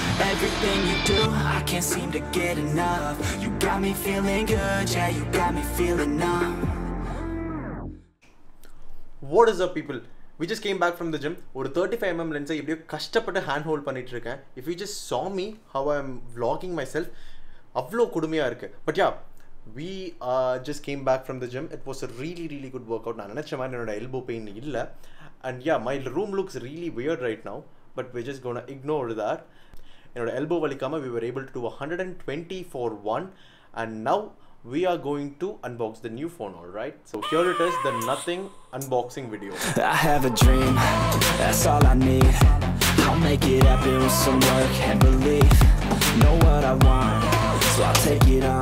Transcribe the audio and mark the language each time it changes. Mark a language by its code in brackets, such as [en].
[en] Everything you do, I can't seem to get enough. You got me feeling good, yeah, you got me feeling numb. What is up, people? We just came back from the gym. [ta] ஒரு 35mm லென்ஸை எப்படியோ கஷ்டப்பட்டு hand hold பண்ணிட்டு இருக்கேன். [en] if you just saw me how I am vlogging myself, [ta] அவ்வளோ கொடுமையாக இருக்கு. [en] But yeah, we just came back from the gym. It was a really really good workout. [ta] நான் நினச்ச மாதிரி என்னோட எல்போ பெயின் இல்லை. [en] And yeah, my room looks really weird right now, but we just gonna ignore that. [ta] என்னோட elbow வலிக்காமல் [en] We were able to 120 for 1. And now we are going to unbox the new phone, all right? So here it is, the nothing unboxing video. I have a dream, that's all I need. I'll make it happen with some work and belief. Know what I want, so I'll take it on.